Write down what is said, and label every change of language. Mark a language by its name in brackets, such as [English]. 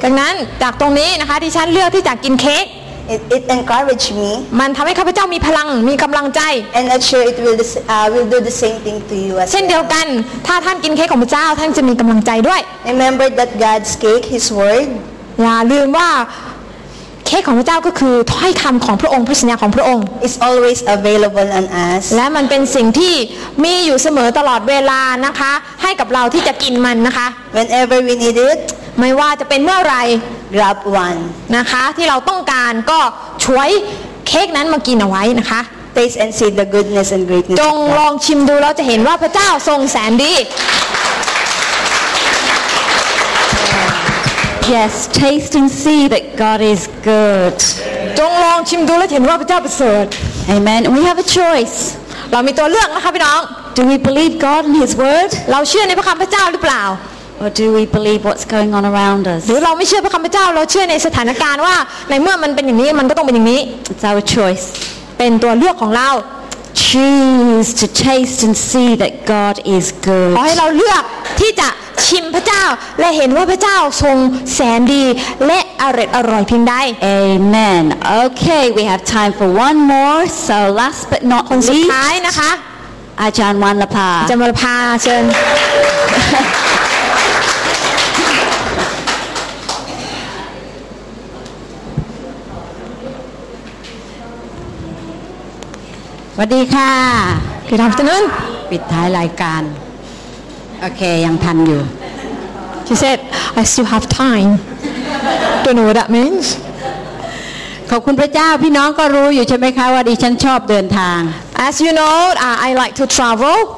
[Thai] ดังนั้นจากตรงนี้นะคะที่ฉันเลือกที่จะกินเค้ก [English] It encouraged me [Thai] มันทำให้ข้าพเจ้ามีพลังมีกำลังใจ [English] And I'm sure it will do the same thing to you [Thai] เช่นเดียวกันถ้าท่านกินเค้กของพระเจ้าท่านจะมีกำลังใจด้วย [English] Remember that God's cake His word [Thai] อย่าลืมว่าเค้กของพระเจ้าก็คือถ้อยคำของพระองค์พระสัญญาของพระองค์ [English] It's always available on us [Thai] และมันเป็นสิ่งที่มีอยู่เสมอตลอดเวลานะคะให้กับเราที่จะกินมันนะคะ [English] Whenever we need it [Thai] ไม่ว่าจะเป็นเมื่อไหร่ [English] Grab one [Thai] นะคะที่เราต้องการก็ช่วยเค้กนั้นมากินเอาไว้นะคะ [English] Taste and see the goodness and greatness [Thai] จงลองชิมดูแล้วจะเห็นว่าพระเจ้าทรงแสนดี [English] Yes, taste and see that God is good. [Thai] จงลองชิมดูและเห็นว่าพระเจ้าประเสริฐ [English] Amen. We have a choice. [Thai] เรามีตัวเลือกนะคะพี่น้อง [English] Do we believe God and His word? [Thai] เราเชื่อในพระคำพระเจ้าหรือเปล่า [English] Or do we believe what's going on around us? [Thai] หรือเราไม่เชื่อพระคำพระเจ้าเราเชื่อในสถานการณ์ว่าในเมื่อมันเป็นอย่างนี้มันก็ต้องเป็นอย่างนี้ [English] It's our choice. [Thai] เป็นตัวเลือกของเรา [English] choose to taste and see that God is good. [Thai] ขอให้เราเลือกที่จะชิมพระเจ้าและเห็นว่าพระเจ้าทรงแสนดีและอร่อยอร่อยเพียงใด [English] Amen. Okay, we have time for one more. So last but not least. [Thai] คนสุดท้ายนะคะ อาจารย์วรรณภา อาจารย์วรรณภาเชิญ สวัสดีค่ะ คือทำตัวนึง ปิดท้ายรายการโอเคยังทันอยู่ [English] She said I still have time Don't know what that means [Thai] ขอบคุณพระเจ้าพี่น้องก็รู้อยู่ใช่ไหมคะว่าดิฉันชอบเดินทาง [English] As you know I like to travel